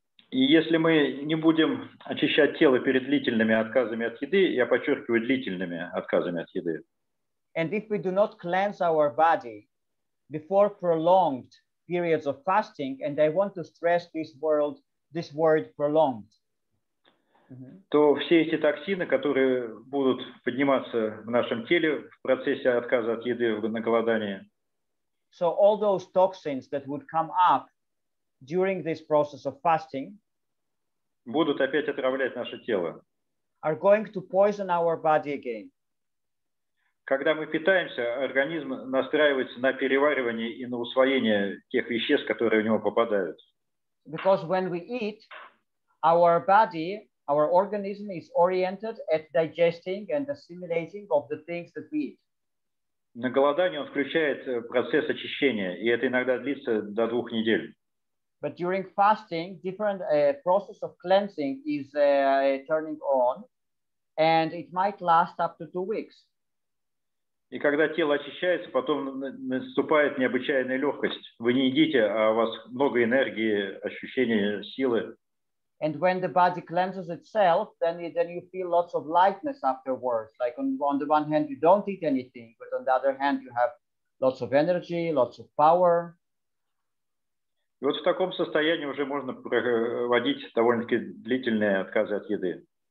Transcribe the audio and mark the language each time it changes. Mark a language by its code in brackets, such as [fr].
[ru] И если мы не будем очищать тело перед длительными отказами от еды, я подчеркиваю, длительными отказами от еды. [en] And if we do not cleanse our body before prolonged periods of fasting, and I want to stress this word prolonged, [ru] то все эти токсины, которые будут подниматься в нашем теле в процессе отказа от еды на голодании, [en] so all those toxins that would come up during this process of fasting [ru] будут опять отравлять наше тело. [en] Are going to poison our body again. [ru] Когда мы питаемся, организм настраивается на переваривание и на усвоение тех веществ, которые в него попадают. [en] Because when we eat, our body, our organism is oriented at digesting and assimilating of the things that we eat. [ru] На голодание он включает процесс очищения, и это иногда длится до 2 недель. [en] But during fasting, different process of cleansing is turning on, and it might last up to 2 weeks. [ru] И когда тело очищается, потом наступает необычайная легкость. Вы не едите, а у вас много энергии, ощущения силы. [en] And when the body cleanses itself, then you feel lots of lightness afterwards. Like on the one hand, you don't eat anything, but on the other hand, you have lots of energy, lots of power. [ru] И вот в таком состоянии уже можно проводить довольно-таки длительные отказы от еды.